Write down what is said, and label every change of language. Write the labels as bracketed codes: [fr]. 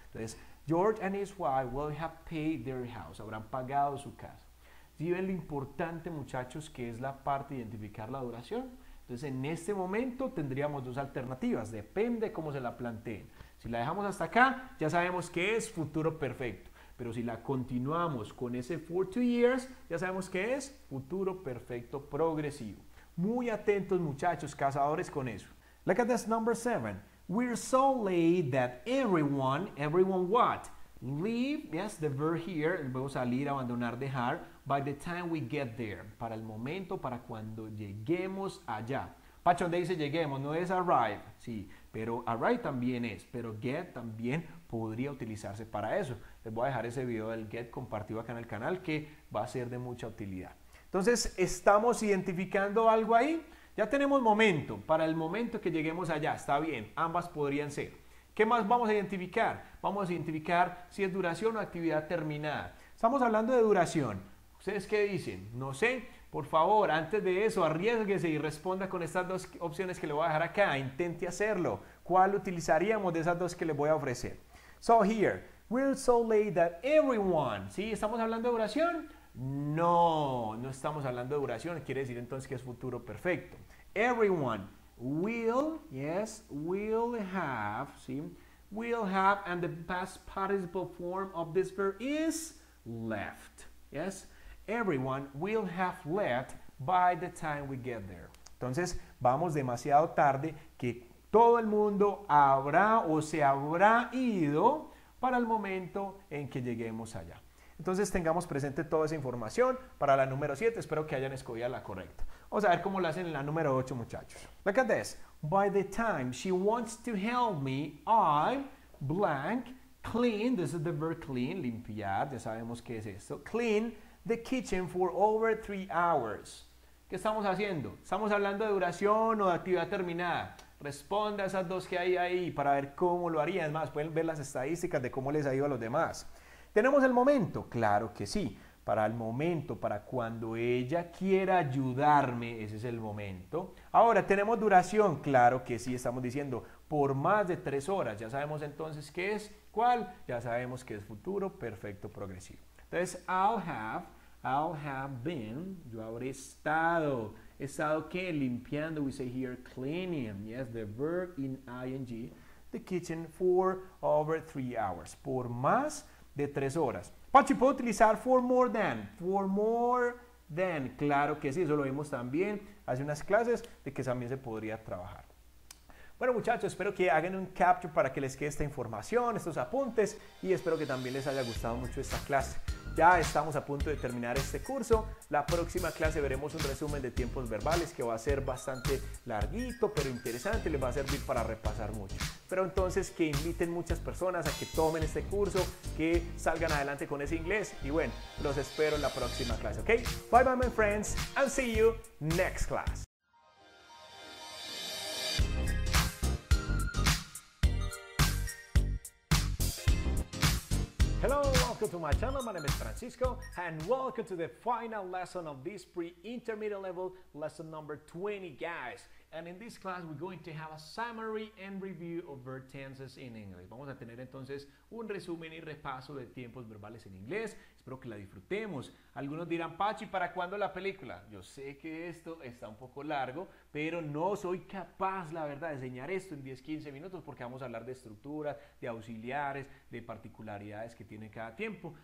[en] Entonces, George and his wife will have paid their house, [es] habrán pagado su casa. ¿Sí ven lo importante, muchachos, que es la parte de identificar la duración? Entonces, en este momento tendríamos dos alternativas, depende cómo se la planteen. Si la dejamos hasta acá, ya sabemos que es futuro perfecto. Pero si la continuamos con ese for 2 years, ya sabemos que es futuro perfecto progresivo. Muy atentos, muchachos, cazadores, con eso. [en] Look at this number 7. We're so late that everyone what? Leave, yes, the verb here, [es] voy a salir, abandonar, dejar, [en] by the time we get there, [es] para el momento, para cuando lleguemos allá. Pacho, ¿dónde dice lleguemos? No es arrive, sí, pero arrive también es, pero get también podría utilizarse para eso. Les voy a dejar ese video del get compartido acá en el canal que va a ser de mucha utilidad. Entonces, ¿estamos identificando algo ahí? Ya tenemos momento, para el momento que lleguemos allá, está bien, ambas podrían ser. ¿Qué más vamos a identificar? Vamos a identificar si es duración o actividad terminada. Estamos hablando de duración. ¿Ustedes qué dicen? No sé. Por favor, antes de eso, arriesguese y responda con estas dos opciones que le voy a dejar acá. Intente hacerlo. ¿Cuál utilizaríamos de esas dos que le voy a ofrecer? [en] So here, we're so late that everyone, [es] ¿sí? ¿Estamos hablando de oración? No, no estamos hablando de oración. Quiere decir entonces que es futuro perfecto. [en] Everyone will, yes, will have, [es] ¿sí? [en] Will have, and the past participle form of this verb is left, yes? Everyone will have left by the time we get there. [es] Entonces, vamos demasiado tarde que todo el mundo habrá o se habrá ido para el momento en que lleguemos allá. Entonces, tengamos presente toda esa información para la número 7. Espero que hayan escogido la correcta. Vamos a ver cómo lo hacen en la número 8, muchachos. [en] Look at this. By the time she wants to help me, I blank clean. This is the verb clean, limpiar. [es] Ya sabemos qué es esto. [en] Clean the kitchen for over 3 hours. [es] ¿Qué estamos haciendo? ¿Estamos hablando de duración o de actividad terminada? Responda a esas dos que hay ahí para ver cómo lo harían. Es más, pueden ver las estadísticas de cómo les ha ido a los demás. ¿Tenemos el momento? Claro que sí. Para el momento, para cuando ella quiera ayudarme, ese es el momento. Ahora, ¿tenemos duración? Claro que sí, estamos diciendo por más de 3 horas. Ya sabemos entonces qué es, cuál. Ya sabemos que es futuro perfecto progresivo. Entonces, [en] I'll have been, [es] yo habré estado. ¿He estado qué? [en] Limpiando, we say here, cleaning. Yes, the verb in ing, the kitchen for over 3 hours. [es] Por más de 3 horas. Pachi, ¿puedo utilizar for more than? [en] For more than, [es] claro que sí, eso lo vimos también hace unas clases, de que también se podría trabajar. Bueno, muchachos, espero que hagan un capture para que les quede esta información, estos apuntes, y espero que también les haya gustado mucho esta clase. Ya estamos a punto de terminar este curso. La próxima clase veremos un resumen de tiempos verbales que va a ser bastante larguito, pero interesante, les va a servir para repasar mucho. Pero entonces que inviten muchas personas a que tomen este curso, que salgan adelante con ese inglés. Y bueno, los espero en la próxima clase, ¿ok? [en] Bye bye, my friends, and see you next class. Hello, welcome to my channel. My name is Francisco, and welcome to the final lesson of this pre-intermediate level, lesson number 20, guys. And in this class, we're going to have a summary and review of verb tenses in English. [es] Vamos a tener entonces un resumen y repaso de tiempos verbales en inglés. Espero que la disfrutemos. Algunos dirán, Pachi, ¿para cuándo la película? Yo sé que esto está un poco largo, pero no soy capaz, la verdad, de enseñar esto en 10, 15 minutos porque vamos a hablar de estructuras, de auxiliares, de particularidades que tiene cada tiempo.